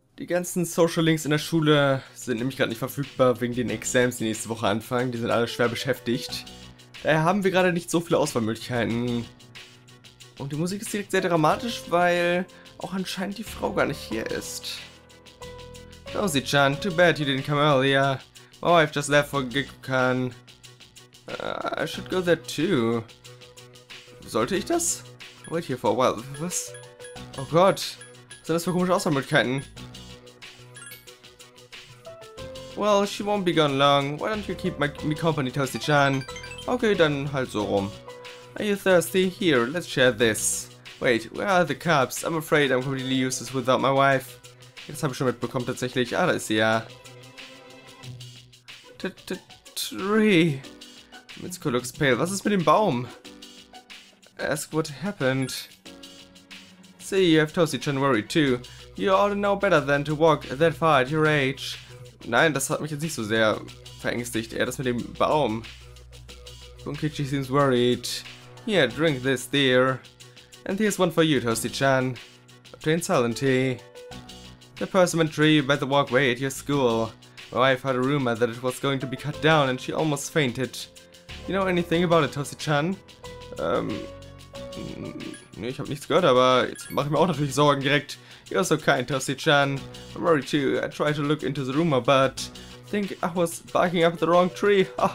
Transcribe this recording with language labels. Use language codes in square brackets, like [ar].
[de] Die ganzen Social Links in der Schule sind nämlich gerade nicht verfügbar wegen den Exams, die nächste Woche anfangen. Die sind alle schwer beschäftigt. Daher haben wir gerade nicht so viele Auswahlmöglichkeiten. Und die Musik ist direkt sehr dramatisch, weil auch anscheinend die Frau gar nicht hier ist. [en] Josie-chan, too bad you didn't come earlier. My wife just left for Gekukan. I should go there too. [de] Sollte ich das? [en] Wait here for a while. [de] Was? Oh Gott. Was sind das für komische Auswahlmöglichkeiten? [en] Well, she won't be gone long. Why don't you keep me company, Toasty-chan? [de] Okay, dann halt so rum. [en] Are you thirsty? Here, let's share this. Wait, where are the cups? I'm afraid I'm completely useless without my wife. [de] Jetzt habe ich schon mitbekommen, tatsächlich. Ah, da ist sie ja. [en] Tree. Mitsuko looks pale. [de] Was ist mit dem Baum? [en] Ask what happened. See, you have Toasty-chan worried too. You ought to know better than to walk that far at your age. [de] Nein, das hat mich jetzt nicht so sehr verängstigt. Eher das mit dem Baum. [en] Bunkichi seems worried. Here, drink this, dear. And here's one for you, Toasty-chan. Obtain silent tea. The persimmon tree by the walkway at your school. My wife heard a rumor that it was going to be cut down and she almost fainted. You know anything about it, Toasty-chan? [de] Nee, ich habe nichts gehört, aber jetzt mache ich mir auch natürlich Sorgen direkt. [en] You're so kind, Toasty-chan. I'm worried too. I tried to look into the rumor, but I think I was barking up the wrong tree.